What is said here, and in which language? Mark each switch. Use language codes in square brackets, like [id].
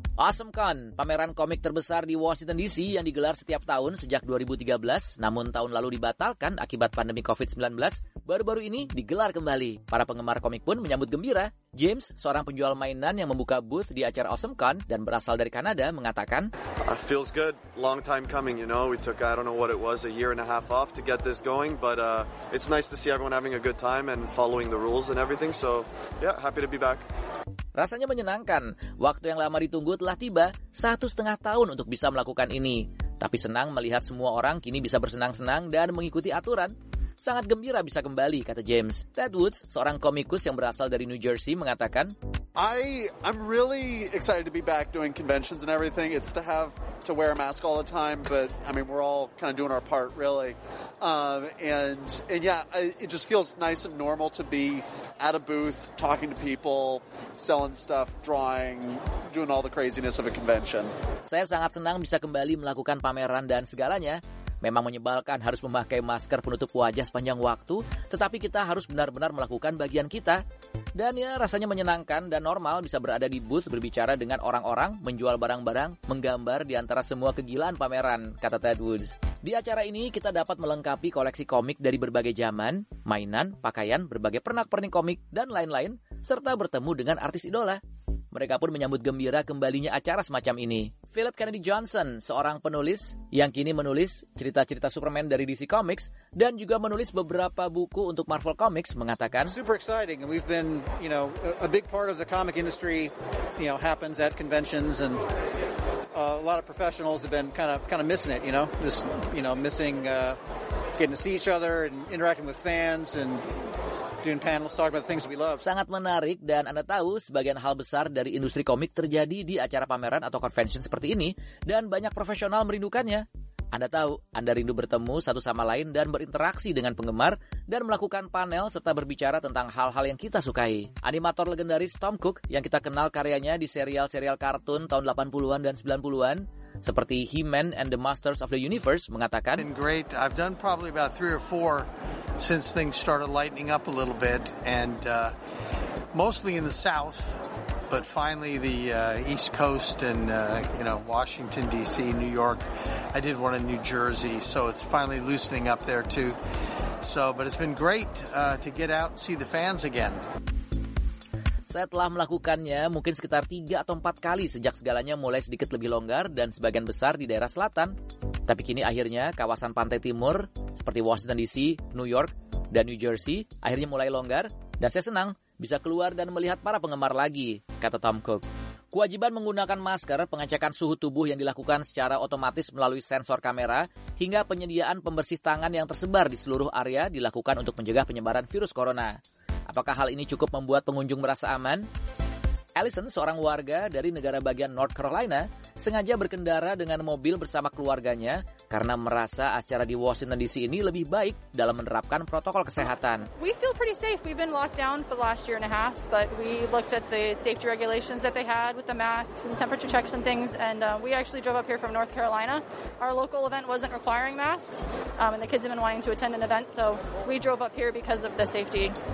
[id] AwesomeCon, pameran komik terbesar di Washington DC yang digelar setiap tahun sejak 2013, namun tahun lalu dibatalkan akibat pandemi COVID-19, baru-baru ini digelar kembali. Para penggemar komik pun menyambut gembira. James, seorang penjual mainan yang membuka booth di acara AwesomeCon dan berasal dari Kanada, mengatakan, [en] "It feels good. Long time coming, you know. We took, I don't know what it was, a year and a half off to get this going, but it's nice to see everyone having a good time and following the rules and everything. So, yeah, happy to be back." [id] Rasanya menyenangkan. Waktu yang lama ditunggu telah tiba, 1,5 tahun untuk bisa melakukan ini. Tapi senang melihat semua orang kini bisa bersenang-senang dan mengikuti aturan. Sangat gembira bisa kembali, kata James. Ted Woods, seorang komikus yang berasal dari New Jersey, mengatakan, [en] I'm really excited to be back doing conventions and everything. It's to have to wear a mask all the time, but I mean, we're all kind of doing our part, really. It just feels nice and normal to be at a booth, talking to people, selling stuff, drawing, doing all the craziness of a convention. [id] Saya sangat senang bisa kembali melakukan pameran dan segalanya. Memang menyebalkan harus memakai masker penutup wajah sepanjang waktu, tetapi kita harus benar-benar melakukan bagian kita. Dan ya, rasanya menyenangkan dan normal bisa berada di booth berbicara dengan orang-orang, menjual barang-barang, menggambar di antara semua kegilaan pameran, kata Ted Woods. Di acara ini, kita dapat melengkapi koleksi komik dari berbagai zaman, mainan, pakaian, berbagai pernak-pernik komik, dan lain-lain, serta bertemu dengan artis idola. Mereka pun menyambut gembira kembalinya acara semacam ini. Philip Kennedy Johnson, seorang penulis yang kini menulis cerita-cerita Superman dari DC Comics dan juga menulis beberapa buku untuk Marvel Comics, mengatakan, [en] "Super exciting. We've been, you know, a big part of the comic industry, you know, happens at conventions and a lot of professionals have been kind of missing it, you know. Just, you know, missing getting to see each other and interacting with fans and doing panels, talking about things we love." [id] Sangat menarik, dan Anda tahu sebagian hal besar dari industri komik terjadi di acara pameran atau convention seperti ini, dan banyak profesional merindukannya. Anda tahu, Anda rindu bertemu satu sama lain dan berinteraksi dengan penggemar dan melakukan panel serta berbicara tentang hal-hal yang kita sukai. Animator legendaris Tom Cooke, yang kita kenal karyanya di serial-serial kartun tahun 80-an dan 90-an, seperti He-Man and the Masters of the Universe, mengatakan, [en] "It's been great. I've done probably about 3 or 4 since things started lightening up a little bit, and mostly in the South, but finally the East Coast and you know, Washington D.C., New York. I did one in New Jersey, so it's finally loosening up there too. So, but it's been great to get out and see the fans again." [id] Saya telah melakukannya mungkin sekitar 3 atau 4 kali sejak segalanya mulai sedikit lebih longgar dan sebagian besar di daerah selatan. Tapi kini akhirnya kawasan pantai timur seperti Washington DC, New York, dan New Jersey akhirnya mulai longgar. Dan saya senang bisa keluar dan melihat para penggemar lagi, kata Tom Cooke. Kewajiban menggunakan masker, pengecekan suhu tubuh yang dilakukan secara otomatis melalui sensor kamera, hingga penyediaan pembersih tangan yang tersebar di seluruh area dilakukan untuk mencegah penyebaran virus corona. Apakah hal ini cukup membuat pengunjung merasa aman? Allison, seorang warga dari negara bagian North Carolina, sengaja berkendara dengan mobil bersama keluarganya karena merasa acara di Washington DC ini lebih baik dalam menerapkan protokol kesehatan. [en] "We feel pretty safe. We've been locked down for the last year and a half, but we looked at the safety regulations that they had with the masks and temperature checks and things, and we actually drove up here from North Carolina. Our local event wasn't requiring masks, and the kids have been wanting to attend an event, so we drove up here because of the safety."